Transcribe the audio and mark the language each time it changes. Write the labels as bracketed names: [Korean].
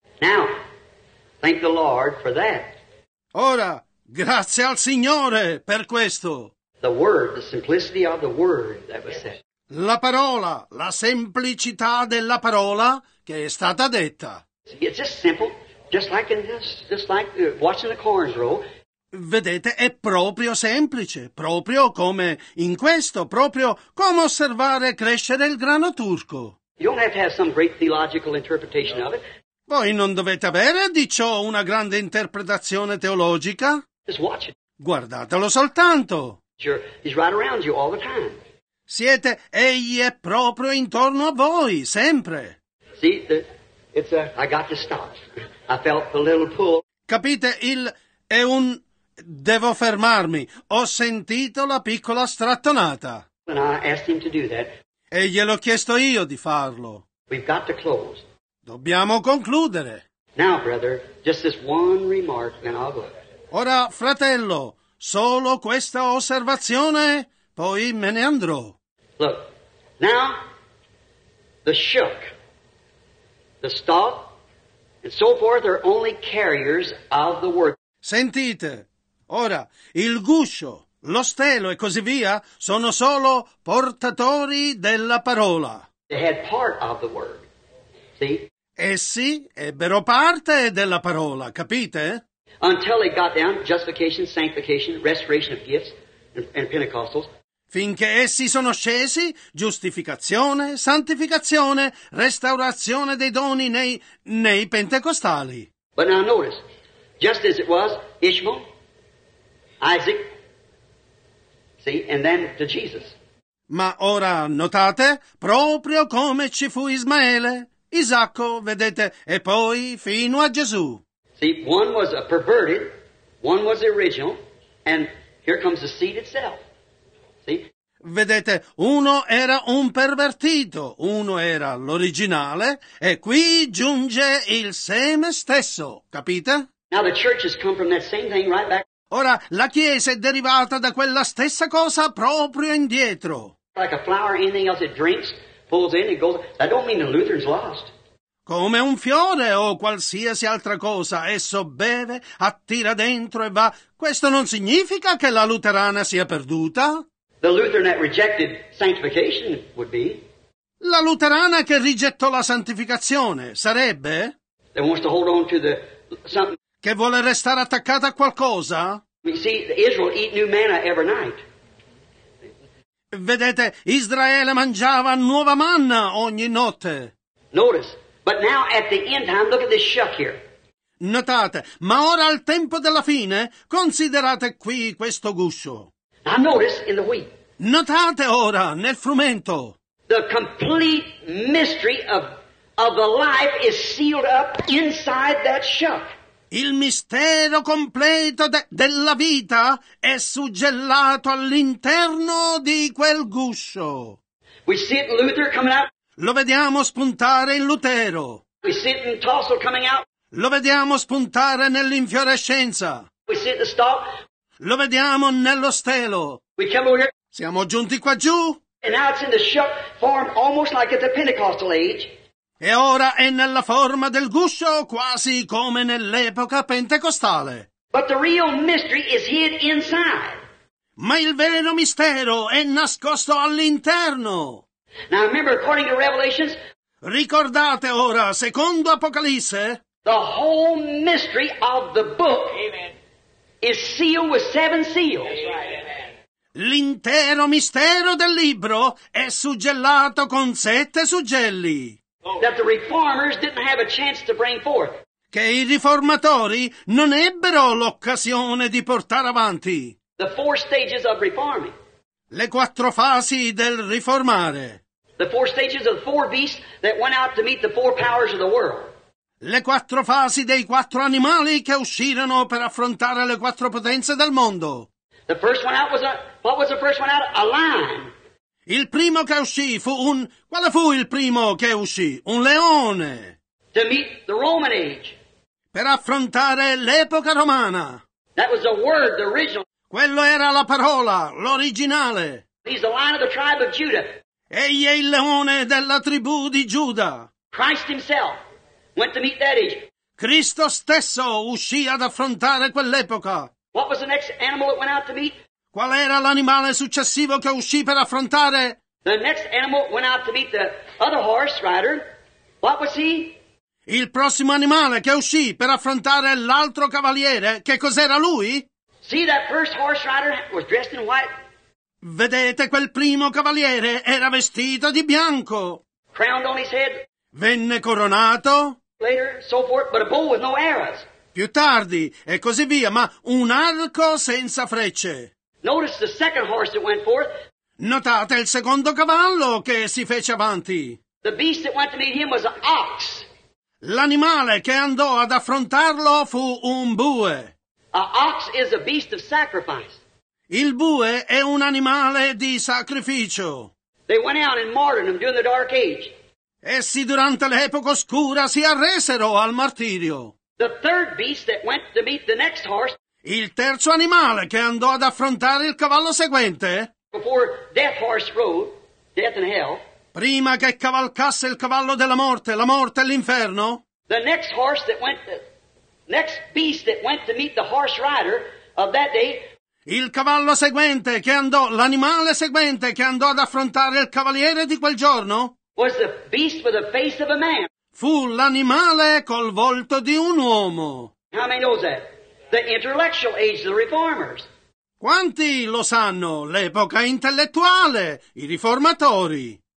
[English] Now, thank the Lord for that. [Italian] Ora, grazie al Signore per questo. [English] The word, the simplicity of the word that was said. [Italian] La parola, la semplicità della parola che è stata detta. [English] See, it's just simple, just like watching the corns roll. [Italian] Vedete, è proprio semplice, proprio come in questo, proprio come osservare crescere il grano turco. [English] You don't have to have some great theological interpretation of it. [Italian] Voi non dovete avere di ciò una grande interpretazione teologica. [English] Just watch it. [Italian] Guardatelo soltanto. [English] He's right around you all the time. [Italian] Siete, egli è proprio intorno a voi, sempre. [English] See, I got to stop. I felt a little pull. [Italian] Capite, è un devo fermarmi. Ho sentito la piccola strattonata. [English] When I asked him to do that. [Italian] E gliel'ho chiesto io di farlo. [English] We've got to close. [Italian] Dobbiamo concludere. [English] Now, brother, just this one remark, then I'll go. [Italian] Ora, fratello, solo questa osservazione, poi me ne andrò. [English] Look, now, the shook, the stalk, and so forth are only carriers of the word. [Italian] Sentite, ora, il guscio, lo stelo e così via sono solo portatori della parola. [English] They had part of the word. See? [Italian] Essi ebbero parte della parola, capite? [English] Until it got down, justification, sanctification, restoration of gifts and Pentecostals. [Italian] Finché essi sono scesi, giustificazione, santificazione, restaurazione dei doni nei pentecostali. [English] But now notice, just as it was Ishmael, Isaac, see, and then to Jesus. [Italian] Ma ora notate, proprio come ci fu Ismaele, Isacco, vedete, e poi fino a Gesù. [English] See, one was a perverted, one was original, and here comes the seed itself. See? [Italian] Vedete, uno era un pervertito, uno era l'originale, e qui giunge il seme stesso, capite? [English] Now the church has come from that same thing right back. [Italian] Ora, la Chiesa è derivata da quella stessa cosa proprio indietro. [English] Like a flower, anything else it drinks, pulls in and goes. That don't mean the Lutheran's lost. [Italian] Come un fiore o qualsiasi altra cosa, esso beve, attira dentro e va. Questo non significa che la luterana sia perduta. [English] The Lutheran that rejected sanctification would be. [Italian] La luterana che rigettò la santificazione sarebbe. [English] That wants to hold on to the something. [Italian] Che vuole restare attaccata a qualcosa. [English] You see, Israel eat new manna every night. [Italian] Vedete, Israele mangiava nuova manna ogni notte. [English] Notice. But now at the end time, look at this shuck here. [Italian] Notate, ma ora al tempo della fine, considerate qui questo guscio. [English] Now notice in the wheat. [Italian] Notate ora nel frumento. [English] The complete mystery of the life is sealed up inside that shuck. [Italian] Il mistero completo della vita è suggellato all'interno di quel guscio. [English] We see it in Luther coming out. [Italian] Lo vediamo spuntare in Lutero. [English] We see it in Tossel coming out. [Italian] Lo vediamo spuntare nell'infiorescenza. [English] We see it in the stalk. [Italian] Lo vediamo nello stelo. [English] We come over here. [Italian] Siamo giunti qua giù. [English] And now it's in the shuck form almost like at the Pentecostal age. [Italian] E ora è nella forma del guscio quasi come nell'epoca pentecostale. [English] But the real mystery is hid inside. [Italian] Ma il vero mistero è nascosto all'interno. [English] Now remember, according to Revelations, [Italian] ricordate ora, secondo Apocalisse, [English] the whole mystery of the book, amen, is sealed with seven seals. Amen. [Italian] L'intero mistero del libro è suggellato con sette suggelli. [English] That the reformers didn't have a chance to bring forth. [Italian] Che i riformatori non ebbero l'occasione di portare avanti. [English] The four stages of reforming. [Italian] Le quattro fasi del riformare. [English] The four stages of the four beasts that went out to meet the four powers of the world. [Italian] Le quattro fasi dei quattro animali che uscirono per affrontare le quattro potenze del mondo. [English] The first one out was a, what was the first one out? A lion. [Italian] Il primo che uscì fu un... Quale fu il primo che uscì? Un leone. [English] To meet the Roman age. [Italian] Per affrontare l'epoca romana. [English] That was the word, the original. [Italian] Quello era la parola, l'originale. [English] He's the lion of the tribe of Judah. [Italian] Egli è il leone della tribù di Giuda. [English] Christ himself went to meet that age. [Italian] Cristo stesso uscì ad affrontare quell'epoca. [English] What was the next animal that went out to meet? [Italian] Qual era l'animale successivo che uscì per affrontare? [English] The next animal went out to meet the other horse rider. What was he? [Italian] Il prossimo animale che uscì per affrontare l'altro cavaliere, che cos'era lui? [English] See, that first horse rider was dressed in white. [Italian] Vedete, quel primo cavaliere era vestito di bianco. [English] Crowned on his head. [Italian] Venne coronato. [English] Later, so forth, but a bow with no arrows. [Italian] Più tardi, e così via, ma un arco senza frecce. [English] Notice the second horse that went forth. [Italian] Notate il secondo cavallo che si fece avanti. [English] The beast that went to meet him was an ox. [Italian] L'animale che andò ad affrontarlo fu un bue. [English] An ox is a beast of sacrifice. [Italian] Il bue è un animale di sacrificio. [English] They went out and martyred him during the dark age. [Italian] Essi durante l'epoca oscura si arresero al martirio. [English] The third beast that went to meet the next horse. [Italian] Il terzo animale che andò ad affrontare il cavallo seguente. [English] Before death horse rode, death and hell. [Italian] Prima che cavalcasse il cavallo della morte, la morte e l'inferno. [English] The next horse that went, the next beast that went to meet the horse rider of that day. [Italian] Il cavallo seguente che andò, l'animale seguente che andò ad affrontare il cavaliere di quel giorno. [English] Was the beast with the face of a man. [Italian] Fu l'animale col volto di un uomo. [English] How many knows that? The intellectual age, the reformers. [Italian] Quanti lo sanno? L'epoca intellettuale, i riformatori.